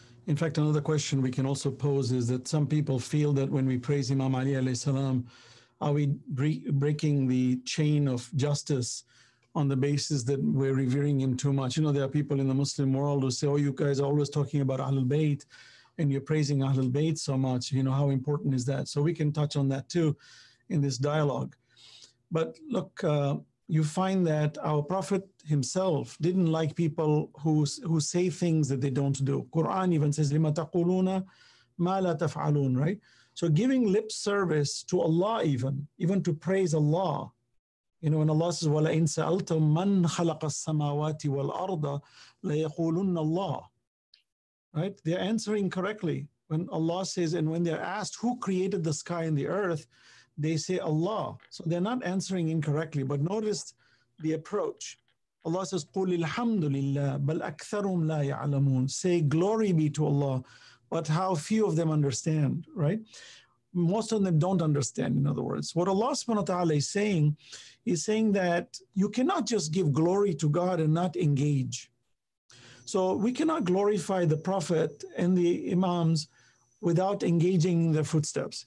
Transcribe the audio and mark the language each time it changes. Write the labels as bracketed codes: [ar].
[en] In fact, another question we can also pose is that some people feel that when we praise Imam Ali alayhi salam, are we breaking the chain of justice on the basis that we're revering him too much? You know, there are people in the Muslim world who say, oh, you guys are always talking about Ahlul Bayt and you're praising Ahlul Bayt so much. You know, how important is that? So we can touch on that too in this dialogue. But look, you find that our Prophet himself didn't like people who say things that they don't do. Quran even says, [ar] لِمَ تَقُولُونَ مَا لَا تَفْعَلُونَ, [en] right? So giving lip service to Allah even to praise Allah, you know, when Allah says, [ar] وَلَئِن سَأَلْتَ مَنْ خَلَقَ السَّمَاوَاتِ وَالْأَرْضَ لَيَقُولُنَّ اللَّهِ, [en] right? They're answering correctly. When Allah says, and when they're asked, who created the sky and the earth? They say Allah. So they're not answering incorrectly, but notice the approach. Allah says, [ar] قُلْ الْحَمْدُ لِلَّهِ بَلْ أَكْثَرُمْ لَا يَعْلَمُونَ. [en] Say, glory be to Allah, but how few of them understand, right? Most of them don't understand, in other words. What Allah subhanahu wa ta'ala is saying, he's saying that you cannot just give glory to God and not engage. So we cannot glorify the Prophet and the Imams without engaging in their footsteps.